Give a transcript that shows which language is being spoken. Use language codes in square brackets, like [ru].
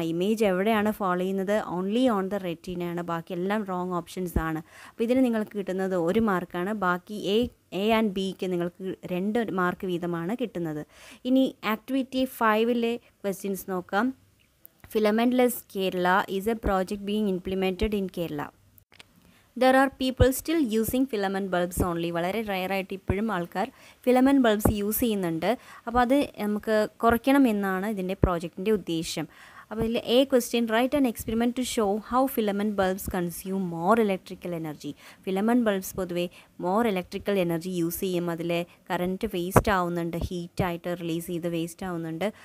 [ml] Image എവിടെയാണ് follow ചെയ്യുന്നത്? Only on the റെറ്റിനയാണ്, ബാക്കിയെല്ലാം റോങ് ഓപ്ഷൻസ് ആണ്. അപ്പോൾ ഇതിന് നിങ്ങൾക്ക് കിട്ടുന്നത് ഒരു മാർക്കാണ്. ബാക്കി എ ആൻഡ് ബിക്ക് നിങ്ങൾക്ക് രണ്ട് മാർക്ക് വീതമാണ് കിട്ടുന്നത്. ഇനി ആക്ടിവിറ്റി 5 ക്വസ്റ്റ്യൻസ് നോക്കാം. [en] Filamentless Kerala is a project being implemented in Kerala. There are people still using filament bulbs only. [ml] വളരെ റയറായിട്ട് ഇപ്പോഴും ആൾക്കാർ ഫിലമെൻറ്റ് ബൾബ്സ് യൂസ് ചെയ്യുന്നുണ്ട്. അപ്പോൾ അത് നമുക്ക് കുറയ്ക്കണം എന്നാണ് ഇതിൻ്റെ പ്രോജക്റ്റിൻ്റെ ഉദ്ദേശം. [en] അപ്പോൾ ഇതിൽ a question, right an experiment to show how filament bulbs consume more electrical energy. [ml] Filament bulbs പൊതുവേ മോർ ഇലക്ട്രിക്കൽ എനർജി യൂസ് ചെയ്യും, അതിലെ കറൻറ്റ് വേസ്റ്റ് ആവുന്നുണ്ട്, ഹീറ്റായിട്ട് റിലീസ് ചെയ്ത് വേസ്റ്റ് ആവുന്നുണ്ട്.